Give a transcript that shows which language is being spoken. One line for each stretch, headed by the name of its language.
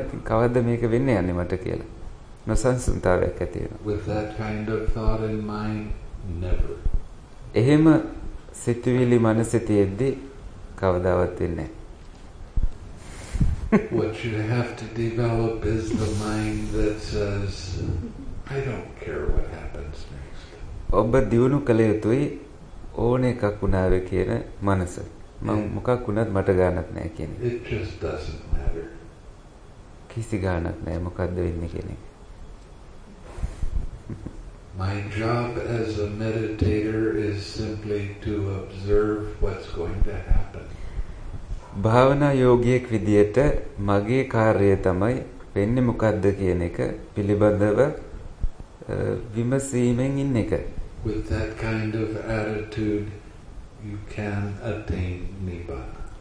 Sinhala: ඉතින් කවද්ද මේක වෙන්න යන්නේ මට කියලා. නොසන්සුන්තාවයක් ඇති වෙනවා.
English: With that kind of thought in mind, never.
Sinhala: එහෙම සිතුවිලි මනසේ තියෙද්දි කවදාවත් වෙන්නේ නැහැ.
English: What you have to develop is the mind that says, I don't care what happens next.
Sinhala: ඔබ දිනු කල යුතුයි ඕන එකක් උනාව කියන මනස. මම මොකක් උනත් මට ගන්නත් නැහැ කියන එක.
English: It just doesn't matter.
Sinhala: කිසි ගන්නත් නැහැ මොකද්ද වෙන්නේ කියන එක.
English: My job as a meditator is simply to observe what's going to happen.
Sinhala: භාවනා යෝගියෙක් විදියට මගේ කාර්යය තමයි වෙන්නේ මොකද්ද කියන එක පිළිබඳව විමසීමෙන් ඉන්න එක.
English: With that kind of attitude, you can attain Nibbana.